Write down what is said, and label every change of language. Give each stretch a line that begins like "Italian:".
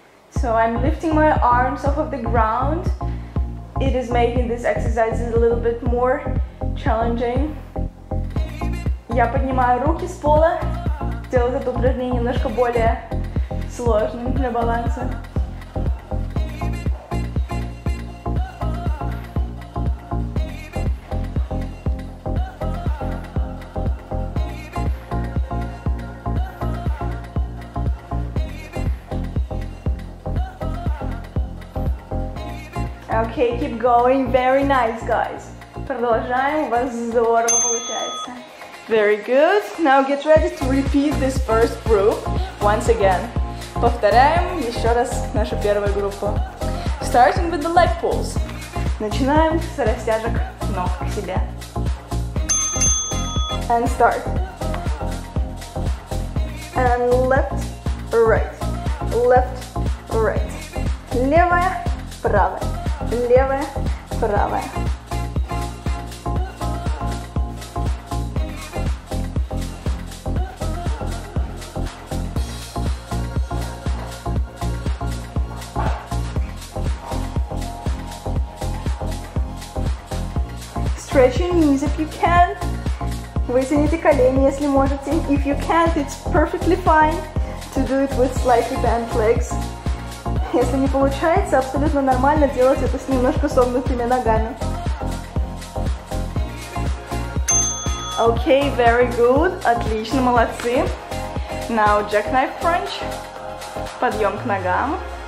English: So I'm lifting my arms off of the ground. It is making this exercise a little bit more challenging.
Russian: Я поднимаю руки с пола, делаю это упражнение немножко более сложным для баланса.
English: Okay, keep going. Very nice, guys.
Russian: Продолжаем. У вас здорово получается.
English: Very good. Now get ready to repeat this first group once again.
Russian: Повторяем еще раз нашу первую группу.
English: Starting with the leg pulls.
Russian: Начинаем с растяжек ног к себе.
English: And start. And left, right. Left, right.
Russian: Левая, правая. Левая, правая.
English: Stretch your knees if you can.
Russian: Вытяните колени, если можете.
English: If you can't, it's perfectly fine to do it with slightly bent legs.
Russian: Если не получается, абсолютно нормально делать это с немножко согнутыми ногами.
English: Okay, very good.
Russian: Отлично, молодцы.
English: Now, jackknife crunch.
Russian: Подъем к ногам.